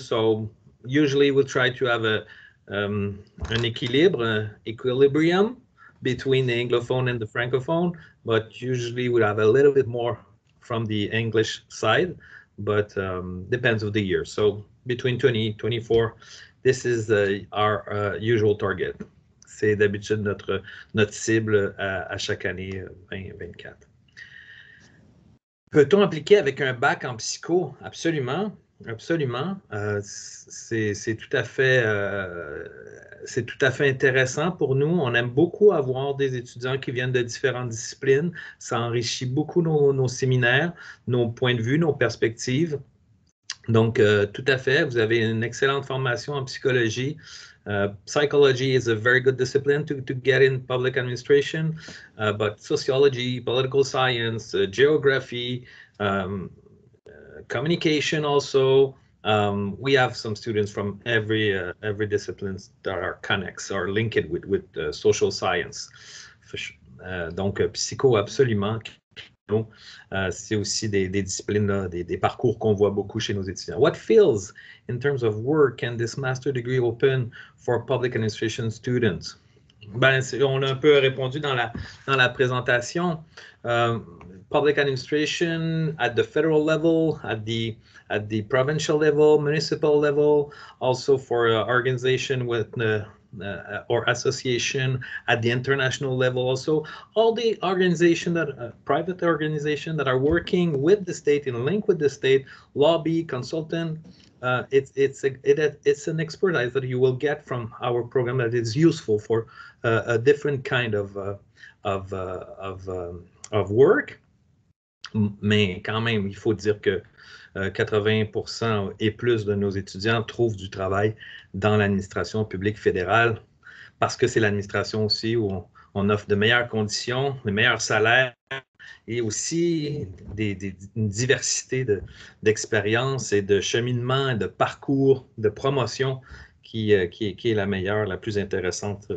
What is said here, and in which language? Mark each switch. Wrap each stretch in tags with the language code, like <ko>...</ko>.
<en>So usually we'll try to have an équilibre, equilibrium between the Anglophone and the Francophone, but usually we have a little bit more from the English side, but depends of the year. So between 20, 24, this is our usual target.</en> <fr>C'est d'habitude notre cible à chaque année 20-24. Peut-on appliquer avec un bac en psycho? Absolument. Absolument. C'est tout à fait intéressant pour nous. On aime beaucoup avoir des étudiants qui viennent de différentes disciplines. Ça enrichit beaucoup nos séminaires, nos points de vue, nos perspectives. Donc, tout à fait. Vous avez une excellente formation en psychologie.</fr> <en>Psychology is a very good discipline to get in public administration, but sociology, political science, geography, communication also. We have some students from every discipline that are connects or linked with social science.</en> <fr>Donc, psycho, absolument. C'est aussi des disciplines, des parcours qu'on voit beaucoup chez nos étudiants.</fr> <en>What fields in terms of work can this master degree open for public administration students?</en> <fr>On a un peu répondu dans la présentation.</fr> <en>Public administration at the federal level, at the provincial level, municipal level, also for organization with or association at the international level. Also, all the organization that private organization that are working with the state in link with the state, lobby, consultant. It's an expertise that you will get from our program that is useful for a different kind of work.</en> <fr>Mais quand même, il faut dire que 80% et plus de nos étudiants trouvent du travail dans l'administration publique fédérale parce que c'est l'administration aussi où on offre de meilleures conditions, de meilleurs salaires et aussi une diversité d'expériences et de cheminement, de parcours, de promotion qui est la meilleure, la plus intéressante.</fr>